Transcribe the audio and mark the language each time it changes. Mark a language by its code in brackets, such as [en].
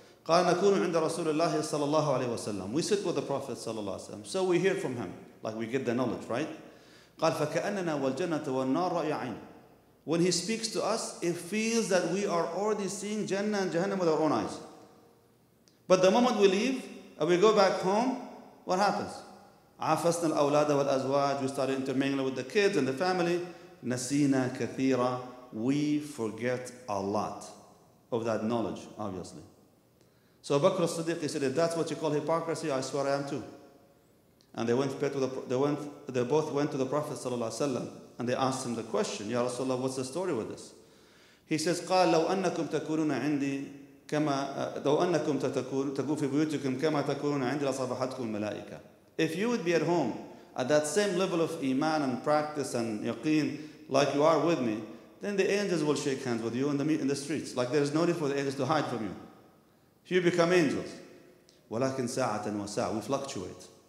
[ar] قال نكون عند رسول الله صلى الله عليه وسلم. [en] We sit with the Prophet صلى الله عليه وسلم. So we hear from him. Like, we get the knowledge, right? [ar] قال فكأننا والجنة والنار رأيعين. [en] When he speaks to us, it feels that we are already seeing Jannah and Jahannam with our own eyes. But the moment we leave and we go back home, what happens? [ar] عفسنا الأولاد والأزواج. [en] We started intermingling with the kids and the family. [ar] نسينا كثيرا. [en] We forget a lot of that knowledge, obviously. So Bakr al-Siddiq, he said, if that's what you call hypocrisy, I swear I am too. And they both went to the Prophet sallallahu alaihi wasallam, and they asked him the question, Ya Rasulullah, what's the story with this? He says, [ar] قال لو أنكم تكونون عندي كما لو أنكم تكون في بيوتكم كما تكونون عندي لصبحتكم الملائكة. [en] If you would be at home at that same level of iman and practice and yaqeen like you are with me, then the angels will shake hands with you in the streets. Like, there is no need for the angels to hide from you. You become angels. [ar] ولكن ساعة وساعة. [en] We fluctuate.